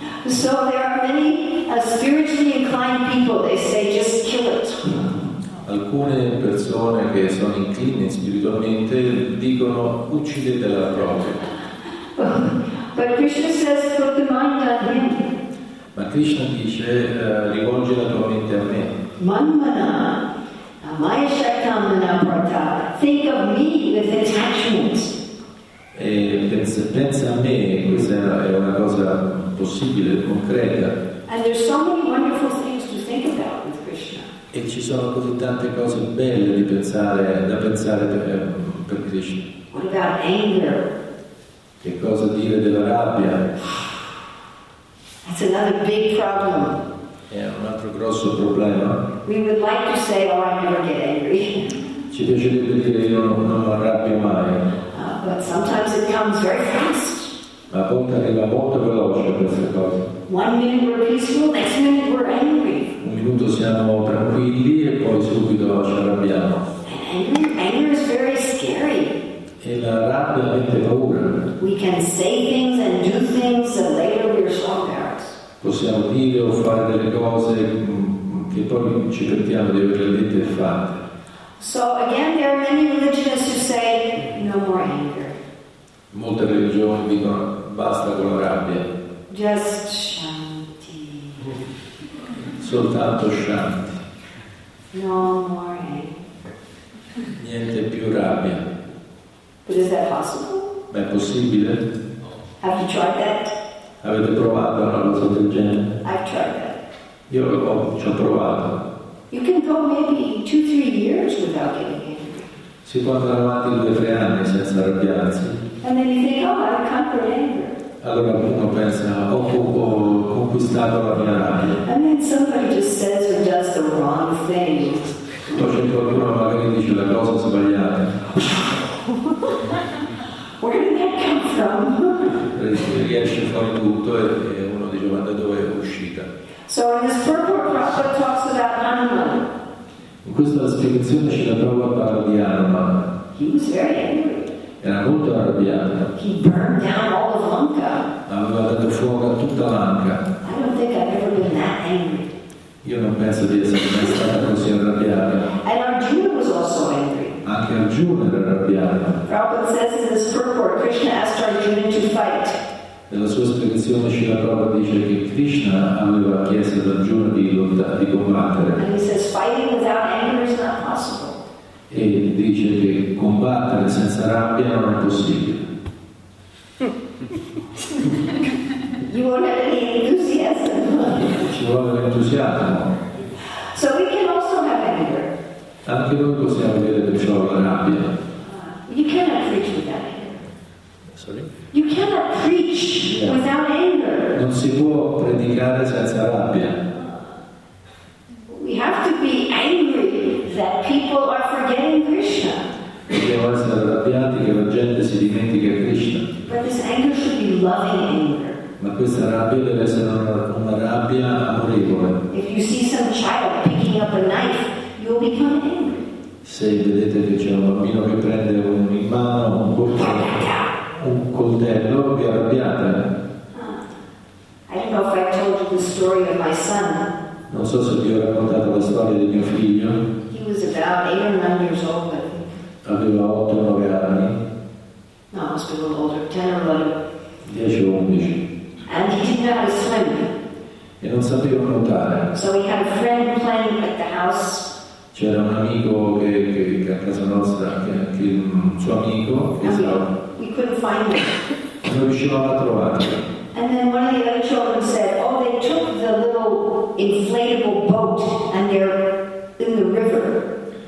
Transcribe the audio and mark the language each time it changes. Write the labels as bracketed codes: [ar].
[en] So there are many spiritually inclined people, they say, just kill it. [it] Alcune persone che sono incline spiritualmente dicono uccidetela proprio. [en] But Krishna says put the mind on him. [it] Ma Krishna dice rivolgi la tua mente a me. [sa] Manmana, amaya shaktam manaprata, [en] think of me with attachment. [it] E pensa a me, questa è una cosa possibile, concreta. [en] And there's so many wonderful things to think about with Krishna. [it] E ci sono così tante cose belle da pensare per Krishna. [en] What about anger? [it] Che cosa dire della rabbia? [en] That's another big problem. [it] È un altro grosso problema. [en] We would like to say, oh, I never get angry. [it] Ci piacerebbe dire io non mi arrabbio mai. [en] But sometimes it comes very fast. [it] Ma a volte arriva molto veloce questa cosa. [en] One minute we're peaceful, next minute we're angry. [it] Un minuto siamo tranquilli e poi subito ci arrabbiamo. [en] Anger is very scary. [it] E la rabbia mette paura. [en] We can say things and do things and later we're shocked out. [it] Possiamo dire o fare delle cose che poi ci pentiamo di averle dette e fatte. [en] So again, there are many religions who say no more anger. [it] Molte religioni dicono basta con la rabbia. [en] Just shanti. [it] Soltanto shanti. [en] No more anger. [it] Niente più rabbia. [en] But is that possible? [it] Ma è possibile? [en] Have you tried that? [it] Avete provato una cosa del genere? [en] I've tried that. [it] Io ci ho provato. [en] You can go maybe 2-3 years without getting angry. [it] Si può andare avanti 2-3 anni senza arrabbiarsi. [en] And then you think, oh, I've conquered anger. [it] Allora uno pensa, ho conquistato la mia rabbia. [en] And then somebody just says or does the wrong thing. [it] Poi c'è qualcuno magari dice la cosa sbagliata. [en] Where did that come from? [it] Riesce fuori tutto e uno dice ma da dove è uscita. [en] So in this purport Prabhupada talks about anima. [it] In questa spiegazione ci la trova a parlare di anima. [en] He was very angry. [it] Era molto arrabbiata. [en] He burned down all of Lanka. [it] Aveva dato fuoco a tutta Lanka. [en] I don't think I've ever been that angry. [it] Io non penso di essere mai stata così arrabbiata. [en] And Arjuna was also angry. [it] Anche Arjuna era arrabbiata. [en] Prabhupada says in his purport, Krishna asked Arjuna to fight. [it] Nella sua spiegazione Srila Prabhupada dice che Krishna aveva chiesto ad Arjuna di combattere. [en] And he says, fighting without anger is not possible. [it] E dice che combattere senza rabbia non è possibile. [en] You won't have any enthusiasm. [it] Ci vuole l'entusiasmo. [en] So we can also have anger. [it] Anche noi possiamo avere perciò la rabbia. [en] You cannot preach without anger. Sorry? You cannot preach without anger. [it] Non si può predicare senza rabbia. [en] We have to be angry that people are forgetting Krishna. [it] Dobbiamo essere arrabbiati che la gente si dimentica Krishna. [en] But this anger should be loving anger. [it] Ma questa rabbia deve essere una rabbia amorevole. [en] If you see some child picking up a knife, you'll become angry. [it] Se vedete che c'è un bambino che prende in mano un coltello, vi arrabbiate. [en] I don't know if I told you the story of my son. [it] Non so se vi ho raccontato la storia di mio figlio. [en] He was about 8 or 9 years old, I think. [it] Aveva 8 o 9 anni. [en] No, I was a little older, 10 or 11. [it] 10 o 11. [en] And he didn't know how to swim. [it] E non sapeva nuotare. [en] So he had a friend playing at the house. [it] C'era un amico che a casa nostra, che un suo amico. Che [en] we, we couldn't find him. [it] Non riuscivamo a trovarlo. [en] And then one of the other children said, "Oh, they took the little inflatable boat and they're in the river."